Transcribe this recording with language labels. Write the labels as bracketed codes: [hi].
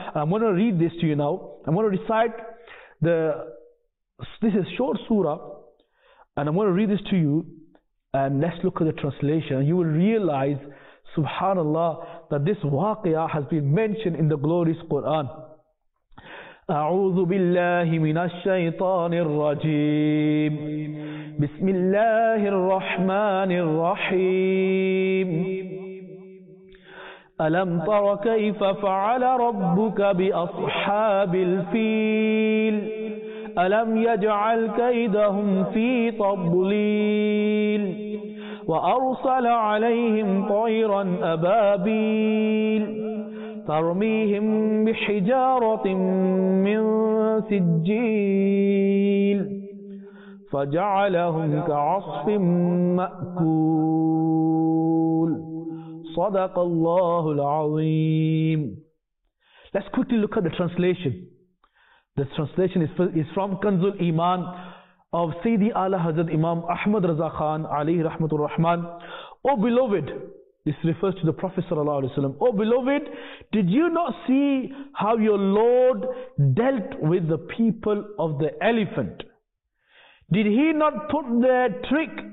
[en] I'm going to read this to you now. I'm going to recite the, this is short surah, and I'm going to read this to you, and let's look at the translation. You will realize, subhanallah, that this waqia has been mentioned in the glorious Quran. [ar] أعوذ بالله من الشيطان الرجيم بسم الله الرحمن الرحيم ألم تر كيف فعل ربك بأصحاب الفيل ألم يجعل كيدهم في تضليل وأرسل عليهم طيرا أبابيل ترميهم بحجارة من سجيل فجعلهم كعصف مأكول صدق الله العظيم. [en] Let's quickly look at the translation. The translation is from Kanzul Iman of Sayyidi Ala Hazrat Imam Ahmad Raza Khan Alayhi Rahmatul Rahman. O beloved, this refers to the Prophet sallallahu alaihi wasallam. O beloved, did you not see how your Lord dealt with the people of the elephant? Did he not put their trick